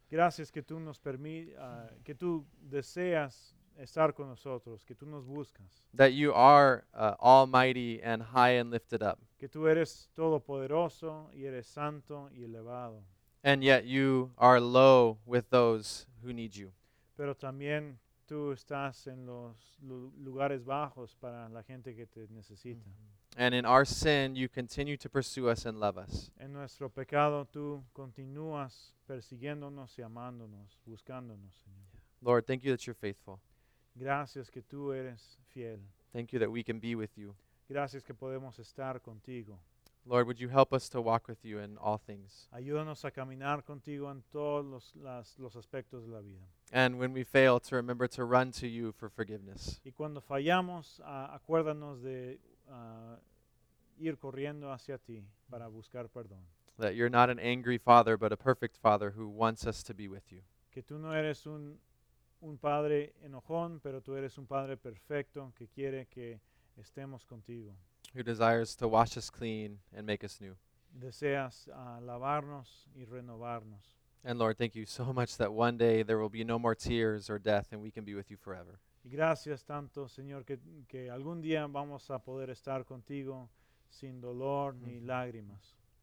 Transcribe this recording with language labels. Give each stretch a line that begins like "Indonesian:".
Spanish: Gracias que tú nos que tú deseas estar con nosotros, que tú nos buscas.
English: That you are almighty and high and lifted up.
Spanish: Que tú eres todopoderoso y eres santo y elevado.
English: And yet you are low with those who need you.
Spanish: Pero también tú estás en los lugares bajos para la gente que te necesita.
English: And in our sin, you continue to pursue us and love us.
Spanish: En nuestro pecado, tú continúas persiguiéndonos y amándonos, buscándonos, Señor.
English: Lord, thank you that you're faithful.
Spanish: Gracias que tú eres fiel.
English: Thank you that we can be with you.
Spanish: Gracias que podemos estar contigo.
English: Lord, would you help us to walk with you in all things?
Spanish: Ayúdanos a caminar contigo en todos los aspectos de la vida.
English: And when we fail, to remember to run to you for forgiveness.
Spanish: Y cuando fallamos, acuérdanos de ir corriendo hacia ti para buscar perdón.
English: That you're not an angry father, but a perfect father who wants us to be with you.
Spanish: Que tú no eres un padre enojón, pero tú eres un padre perfecto que quiere que estemos contigo.
English: Who desires to wash us clean and make us new.
Spanish: Deseas lavarnos y renovarnos.
English: And Lord, thank you so much that one day there will be no more tears or death and we can be with you forever.
Spanish: Gracias tanto, Señor, que algún día vamos a poder estar contigo sin dolor ni lágrimas.